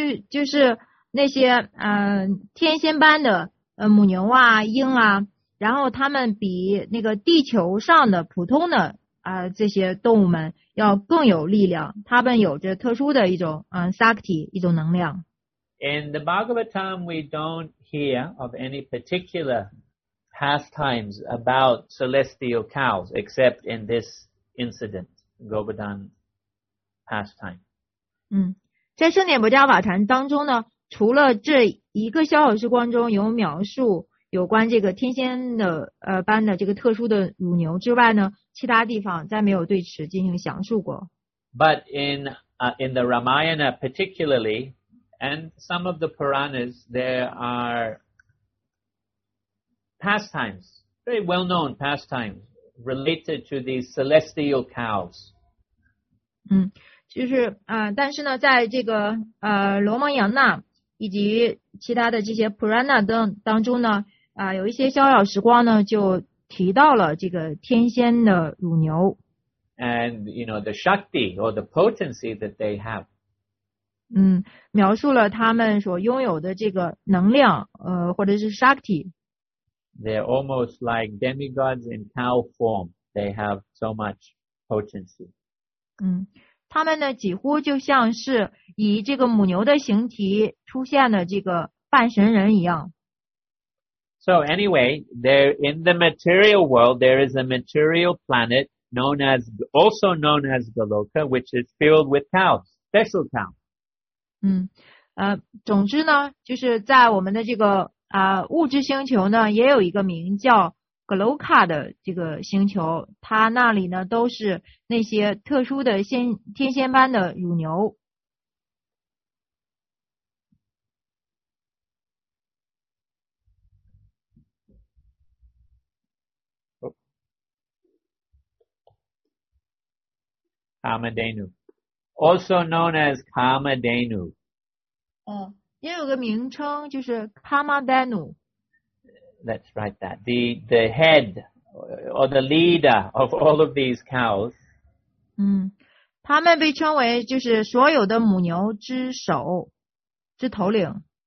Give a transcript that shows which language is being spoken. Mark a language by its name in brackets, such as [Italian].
[Chinese] 就是那些天仙般的母牛啊鹰啊，然后他们比那个地球上的普通的这些动物们要更有力量，他们有着特殊的一种shakti, 一种能量。 [English] In the Bhagavatam, we don't hear of any particular pastimes about celestial cows, except in this incident, Govardhan pastime. [Chinese] 在圣典摩迦瓦坛当中呢，除了这一个小小时光中有描述有关这个天仙的般的这个特殊的乳牛之外呢，其他地方再没有对此进行详述过。 [English] But in the Ramayana particularly,And some of the Puranas, there are pastimes, very well-known pastimes related to these celestial cows. [Chinese] 就是但是呢，在这个罗摩衍那以及其他的这些 Purana 当中呢，有一些逍遥时光呢，就提到了这个天仙的乳牛。 [English] And you know the shakti or the potency that they have. [Chinese] 描述了他们所拥有的这个能量或者是 shakti. [English] They're almost like demigods in cow form. They have so much potency. [Chinese] 他们呢几乎就像是以这个母牛的形体出现的这个半神人一样。 [English] So anyway, there in the material world, there is a material planet known as, also known as Goloka, which is filled with cows, special cows. [Chinese] 总之呢就是在我们的这个物质星球呢也有一个名叫 Goloka 的这个星球，它那里呢都是那些特殊的天仙般的乳牛。 [English] Kamadhenu, also known as Kamadhenu. [Chinese] 也有个名称就是 Kamadhenu. [English] Let's write that. The head or the leader of all of these cows. [Chinese] 他们被称为就是所有的母牛之首之头领。